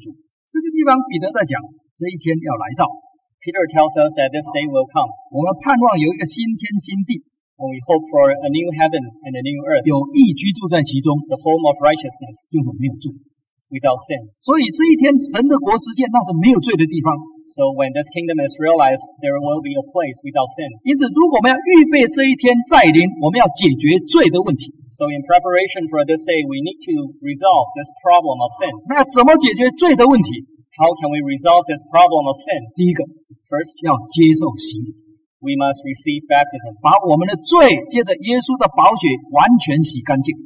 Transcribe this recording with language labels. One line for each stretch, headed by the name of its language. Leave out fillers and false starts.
Chinese: 亲爱的弟兄，你们既然盼望这个事，就要殷勤使自己没有玷污，无可指摘，安然建筑。这个地方彼得在讲，这一天要来到。
English: Peter tells us that this day will come.
Chinese: 我们盼望有一个新天新地。
English: And we hope for a new heaven and a new earth.
Chinese: 有义居住在其中。
English: The home of righteousness.
Chinese: 就是没有罪。
English: Without sin.
Chinese: 所以这一天神的国实现，那是没有罪的地方。
English: So when this kingdom is realized, there will be a place without sin.
Chinese: 因此，如果我们要预备这一天再临，我们要解决罪的问题。
English: So in preparation for this day, we need to resolve this problem of sin.
Chinese: 那怎么解决罪的问题？
English: How can we resolve this problem of sin?
Chinese: 第一个，
English: First,
Chinese: 要接受洗礼。
English: We must receive baptism.
Chinese: 把我们的罪借着耶稣的宝血完全洗干净。